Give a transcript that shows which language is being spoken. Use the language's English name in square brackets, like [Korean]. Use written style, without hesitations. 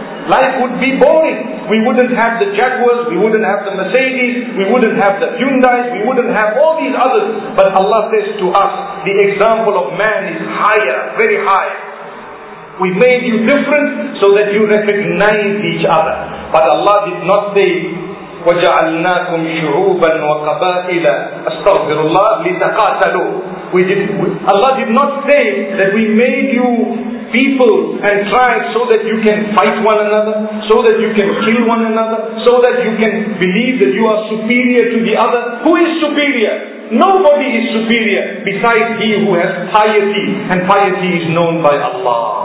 [English] Life would be boring. We wouldn't have the Jaguars, we wouldn't have the Mercedes, we wouldn't have the Hyundais, we wouldn't have all these others. But Allah says to us, the example of man is higher, very high. We made you different so that you recognize each other. But Allah did not say, [Arabic] وَجَعَلْنَاكُمْ شُعُوبًا وَقَبَائِلَ أَسْتَغْفِرُ اللَّهِ لِتَقَاتَلُوا. [English] Allah did not say that we made you people and tribes so that you can fight one another, so that you can kill one another, so that you can believe that you are superior to the other. Who is superior? Nobody is superior besides he who has piety, and piety is known by Allah.